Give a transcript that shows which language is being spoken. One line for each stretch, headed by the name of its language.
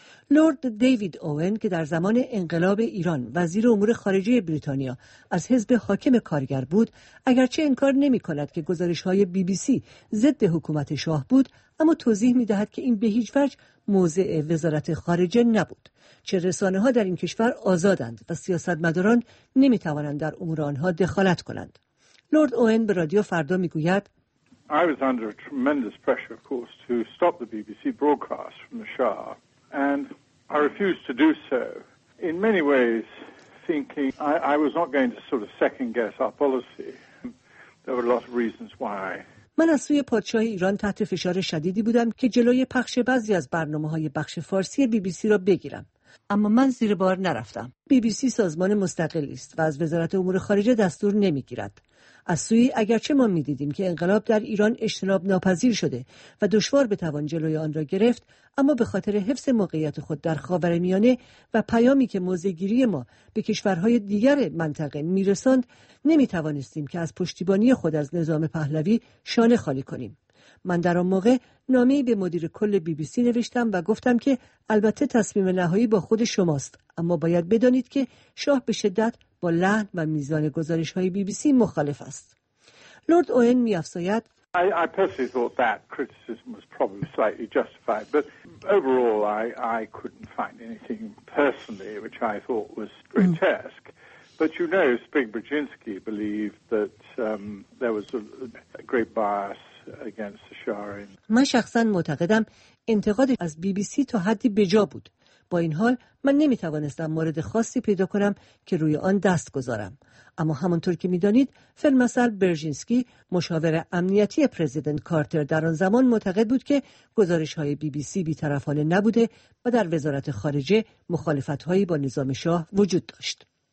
Persian: لورد دیوید اوئن که در زمان انقلاب ایران وزیر امور خارجه بریتانیا از حزب حاکم کارگر بود، اگرچه انکار نمی‌کند که گزارش‌های بی بی سی ضد حکومت شاه بود، اما توضیح می‌دهد که این به هیچ وجه موضع وزارت خارجه نبود. چه رسانه‌ها در این کشور آزادند و سیاستمداران نمی‌توانند در امور آنها دخالت کنند. لورد اوئن به رادیو فردا می‌گوید:
English: I was under tremendous pressure of course to stop the BBC broadcast from the Shah. And I refused to do so in many ways, thinking I was not going to sort of second guess our policy. There were a lot of reasons why.
Persian: من از سوی پادشاه ایران تحت فشار شدیدی بودم که جلوی پخش بعضی از برنامه‌های بخش فارسی بی بی سی را بگیرم، اما من زیر بار نرفتم. بی بی سی سازمان مستقلی است و از وزارت امور خارجه دستور نمی‌گیرد. از سوی اگرچه ما می‌دیدیم که انقلاب در ایران اجتناب ناپذیر شده و دشوار بتوان جلوی آن را گرفت، اما به خاطر حفظ موقعیت خود در خاورمیانه و پیامی که موضع‌گیری ما به کشورهای دیگر منطقه می‌رساند، نمی‌توانستیم که از پشتیبانی خود از نظام پهلوی شانه خالی کنیم. من در آن موقع نامه‌ای به مدیر کل بی بی سی نوشتم و گفتم که البته تصمیم نهایی با خود شماست، اما باید بدانید که شاه به شدت با لحن و میزان گزارش‌های بی بی سی مخالف است. لورد اوئن می‌افزاید:
English: I personally thought that criticism was probably slightly justified, but overall I couldn't find anything personally which I thought was grotesque. But you know, Spring Brzezinski believed that there was a great bias against the Shah.
Persian: من شخصاً معتقدم انتقاد از بی بی سی تا حدی بجا بود. با این حال من نمیتوانستم مورد خاصی پیدا کنم که روی آن دست گذارم. اما همانطور که میدانید، فیلمسل برژینسکی، مشاور امنیتی پرزیدنت کارتر در آن زمان، معتقد بود که گزارش های بی بی سی بی‌طرفانه نبوده و در وزارت خارجه مخالفت هایی با نظام شاه وجود داشت.